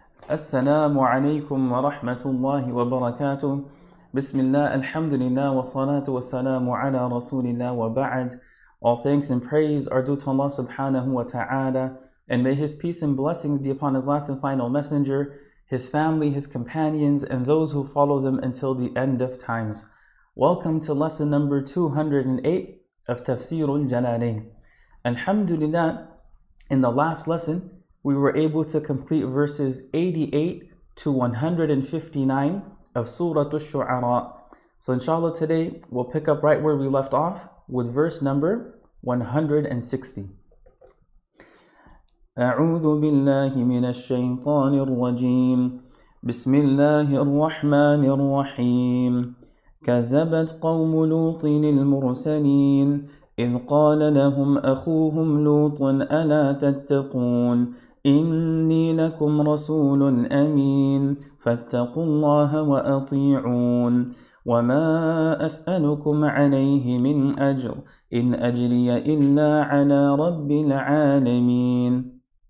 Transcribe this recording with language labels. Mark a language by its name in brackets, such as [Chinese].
[Arabic] السلام عليكم ورحمة الله وبركاته. بسم الله الحمد لله والصلاة والسلام على رسول الله وبعد. [English] All thanks and praise are due to Allah subhanahu wa ta'ala, and may His peace and blessings be upon His last and final messenger, His family, His companions, and those who follow them until the end of times. Welcome to lesson number 208 of Tafsir al-Jalalayn. Alhamdulillah, in the last lesson, we were able to complete verses 88 to 159 of Surah al-Shu'araa. So inshallah today, we'll pick up right where we left off with verse number 160. [Arabic] أعوذ بالله من الشيطان الرجيم بسم الله الرحمن الرحيم كذبت قوم لوط المرسلين إذ قال لهم أخوهم لوط ألا تتقون إني لكم رسول أمين فاتقوا الله وأطيعون وما أسألكم عليه من أجر إن أجري إلا على رب العالمين